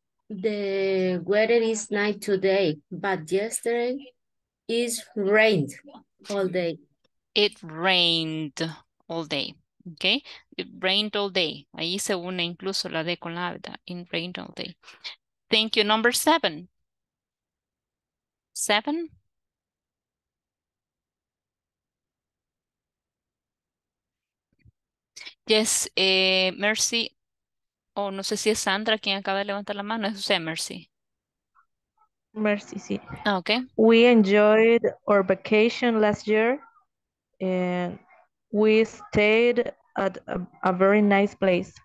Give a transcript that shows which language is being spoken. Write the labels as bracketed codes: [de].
[en] The weather is nice today, but yesterday it rained all day. It rained all day. Okay. It rained all day. [es] Ahí se une incluso la de con la verdad. [en] It rained all day. Thank you. Number seven. Seven. Yes, Mercy. [es] Oh, no sé si es Sandra quien acaba de levantar la mano. Es usted, Mercy. Mercy, sí. [en] Ah, okay. We enjoyed our vacation last year and we stayed at a very nice place.